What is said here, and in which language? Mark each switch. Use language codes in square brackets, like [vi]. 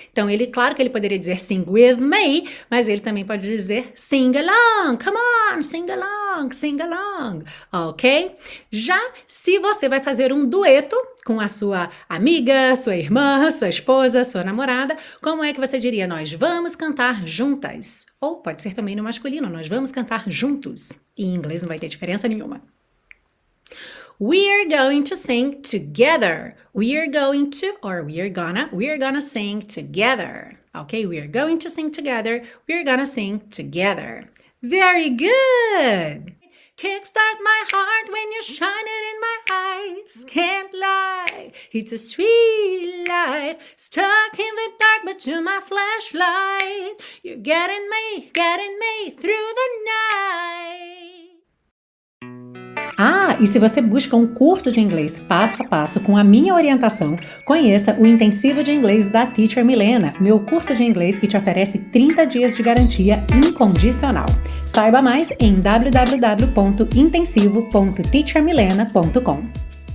[pt] Então, ele, claro que ele poderia dizer [en] sing with me, [pt] mas ele também pode dizer [en] sing along, come on, sing along, [pt] ok? Já se você vai fazer um dueto com a sua amiga, sua irmã, sua esposa, sua namorada, como é que você diria? Nós vamos cantar juntas. Ou pode ser também no masculino, nós vamos cantar juntos. Em inglês não vai ter diferença nenhuma. [en] We are going to sing together. We are going to, or we are gonna sing together. Ok, we are going to sing together, we are gonna sing together. Very good! Kickstart my heart when you shine it in my eyes. Can't lie, it's a sweet life. Stuck in the dark but to my flashlight. You're getting me through the night. [pt] Ah, e se você busca um curso de inglês passo a passo com a minha orientação, conheça o Intensivo de Inglês da Teacher Milena, meu curso de inglês que te oferece 30 dias de garantia incondicional. Saiba mais em www.intensivo.teachermilena.com.